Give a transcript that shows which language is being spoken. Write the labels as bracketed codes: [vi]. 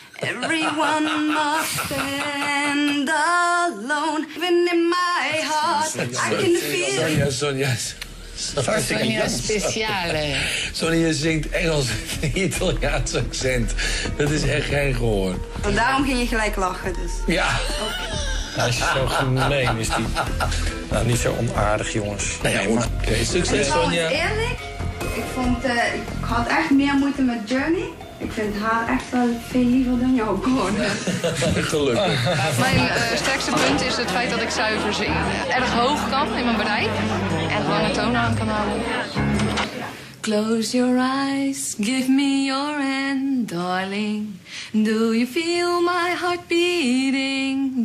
[en] Everyone must stand alone. Even in my heart, I can feel it. Sonja, Sonja. Sonja Speciale. [nl] Sonja zingt Engels met een Italiaans accent. Dat is echt geen gehoor. En daarom ging je gelijk lachen, dus. Ja. Okay. Hij is zo gemeen, is die. Nou, niet zo onaardig, jongens. Nee, ja, goed. Oké, okay, succes, Sonja. Eerlijk? Ik had echt meer moeite met Journey. Ik vind haar echt wel veel liever dan jou, Gordon. Gelukkig. Mijn sterkste punt is het feit dat ik zuiver zing. Erg hoog kan in mijn bereik. En lange tonen aan kan halen. [en] Close your eyes, give me your hand, darling. Do you feel my heart beating?